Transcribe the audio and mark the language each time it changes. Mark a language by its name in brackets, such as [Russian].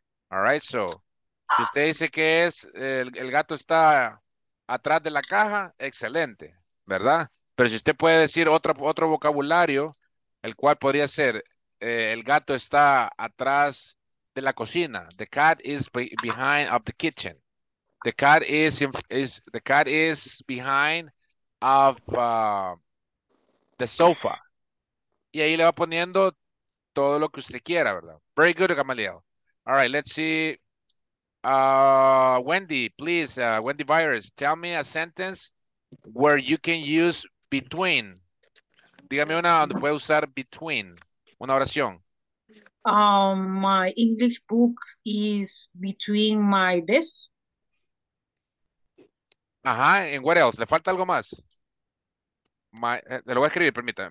[English] All right, so, [Spanish] si usted dice que es, el gato está atrás de la caja, excelente, ¿verdad? Pero si usted puede decir otro, otro vocabulario, el cual podría ser, el gato está atrás de la cocina. [English] The cat is behind of the kitchen. The cat is, in, is the cat is behind of the sofa. [Spanish] Y ahí le va poniendo todo lo que usted quiera, ¿verdad? [English] Very good, Gamaliel. All right, let's see. Wendy, please, Wendy Virus, tell me a sentence where you can use between. [Spanish] Dígame una donde puede usar between, una oración. [English] My English book is between my desk. [Spanish] Ajá, [English] and what else? [Spanish] ¿Le falta algo más? My, le lo voy a escribir, permita.